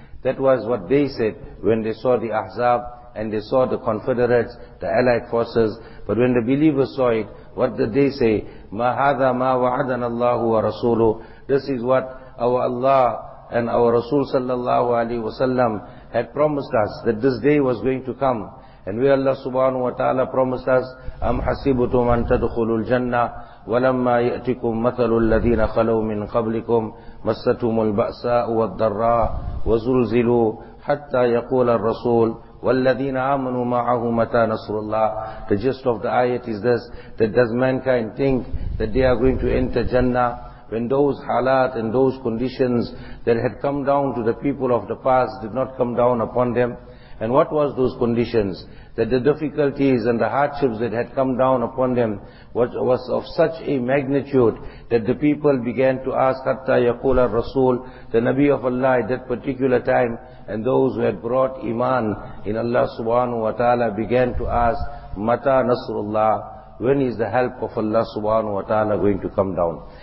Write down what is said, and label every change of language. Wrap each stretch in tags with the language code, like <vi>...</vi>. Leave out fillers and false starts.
<en>That was what they said when they saw the ahzab and they saw the confederates, the allied forces. But when the believers saw it, what did they say?</en> <ar>مَا هَذَا مَا وَعَدَنَ اللَّهُ وَرَسُولُهُ.</ar> <en>This is what our Allah and our Rasul sallallahu alayhi wa sallam had promised us, that this day was going to come. And we Allah subhanahu wa ta'ala promised us,</en> <ar>أَمْ حَسِبُتُمْ أَن تَدْخُلُوا الْجَنَّةِ وَلَمَّا يَأْتِكُمْ مَثَلُ الَّذِينَ خَلَوْا مِنْ قَبْلِكُمْ مَسَّتُمُ الْبَأْسَاءُ وَالضَّرَّاءُ وَزُلْزِلُوا حَتَّى يَقُولَ الرَّسُولُ وَالَّذِينَ آمَنُوا مَعَهُ مَتَى نَصْرُ اللَّهِ.</ar> <en>The gist of the ayat is this, that does mankind think that they are going to enter Jannah when those halat and those conditions that had come down to the people of the past did not come down upon them? And what was those conditions? That the difficulties and the hardships that had come down upon them was of such a magnitude that the people began to ask,</en> <ar>حَتَّى يَقُولَ الرَّسُولُ,</ar> <en>the Nabi of Allah at that particular time, and those who had brought iman in Allah subhanahu wa ta'ala began to ask,</en> <ar>مَتَى نَصْرُ اللَّهِ,</ar> <en>when is the help of Allah subhanahu wa ta'ala going to come down?</en>